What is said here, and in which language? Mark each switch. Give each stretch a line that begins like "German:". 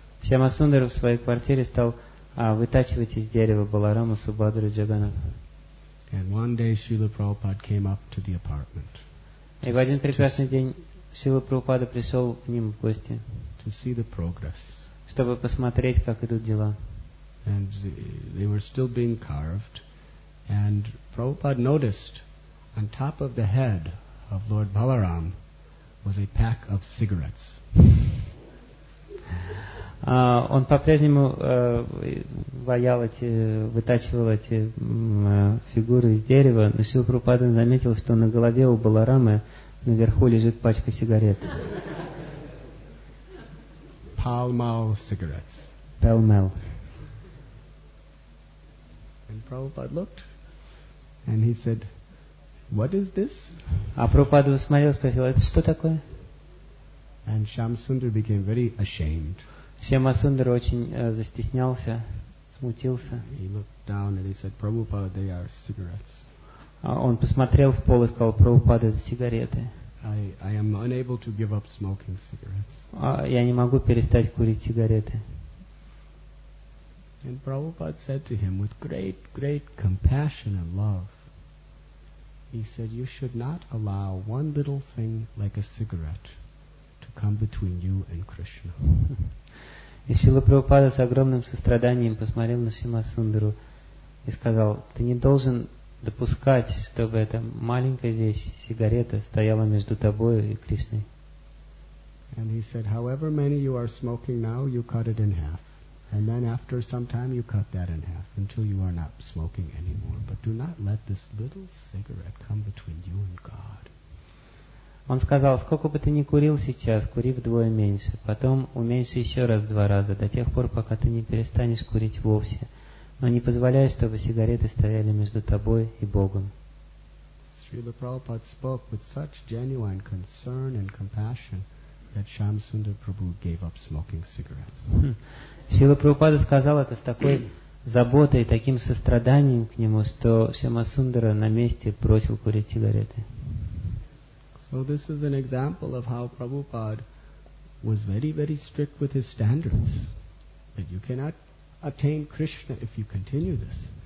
Russian: Шьяма Сундара в своей квартире стал вытачивать из дерева Баларама Субхадру Джаганната. И в один прекрасный день Шрила Прабхупада пришел к ним в гости,
English: to see the progress.
Russian: Чтобы посмотреть, как идут дела.
English: And they were still being carved. And Prabhupada noticed on top of the head of Lord Balaram was a pack of cigarettes.
Russian: Он по-прежнему ваял эти, вытачивал эти фигуры из дерева, но Шрила Прабхупада заметил, что на голове у Баларамы наверху лежит пачка сигарет.
English: Pall Mall cigarettes. Pall Mall. And Prabhupada looked, and he said, "What is this?"
Russian: А Прабхупада посмотрел, спросил, это что такое?
English: And Shyamasundara became very ashamed.
Russian: Shyamasundara очень застеснялся, смутился.
English: He looked down and he said, "Prabhupada, they are cigarettes."
Russian: Он посмотрел в пол и сказал, Прабхупада, это сигареты.
English: I am unable to give up smoking cigarettes.
Russian: Я не могу перестать курить сигареты.
English: And Prabhupada said to him with great, great compassion and love, he said, you should not allow one little thing like a cigarette to come between you and Krishna.
Russian: И Шрила Прабхупада с огромным состраданием посмотрел на Шьямасундару и сказал, ты не должен допускать, чтобы эта маленькая вещь, сигарета, стояла между тобой и Кришной.
English: And he said, however many you are smoking now, you cut it in half. And then after some time you cut that in half until you are not smoking anymore. But do not let this little cigarette come between you and God.
Russian: Он сказал, сколько бы ты ни курил сейчас, кури вдвое меньше. Потом уменьши еще раз два раза, до тех пор, пока ты не перестанешь курить вовсе. Но не позволяй, чтобы сигареты стояли между тобой и Богом.
English: Srila Prabhupada spoke with such genuine concern and compassion that Shyamasundara Prabhu gave up smoking cigarettes.
Russian: Шрила Прабхупада сказал это с такой заботой, таким состраданием к нему, что Шьямасундара на месте бросил курить сигареты.
English: So this is an example of how Prabhupada was very, very strict with his standards. That you cannot attain Krishna if you continue this.